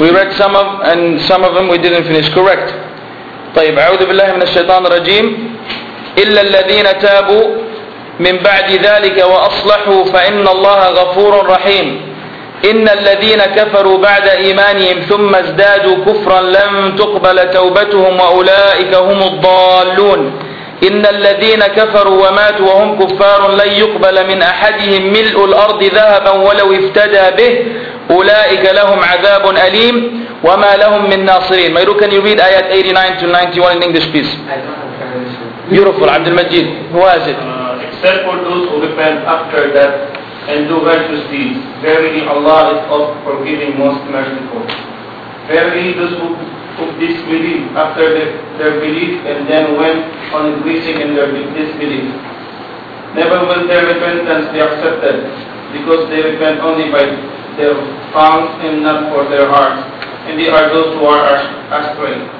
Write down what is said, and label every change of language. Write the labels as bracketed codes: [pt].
[en] We read some of and some of them we didn't finish. Correct. [ar] طيب أعوذ بالله من الشيطان الرجيم. إلا الذين تابوا من بعد ذلك وأصلحوا فإن الله غفور رحيم. إن الذين كفروا بعد إيمانهم ثم ازدادوا كفرا لم تقبل توبتهم وأولئك هم الضالون. إن الذين كفروا وماتوا وهم كفار لن يقبل من أحدهم ملء الأرض ذهبا ولو افتدى به أولئك لهم عذاب أليم وما لهم من ناصرين. [en] Mayrook, can you read ayat 89 to 91 in English, please? Beautiful, Abd al-Majid. Who is it? Except for those who repent after death and do righteous deeds, verily Allah is of forgiving most merciful. Verily those who disbelieve after their belief and then went on increasing in their disbelief, never will their repentance be accepted, because they repent only by their tongues and not for their hearts, and they are those who are astray.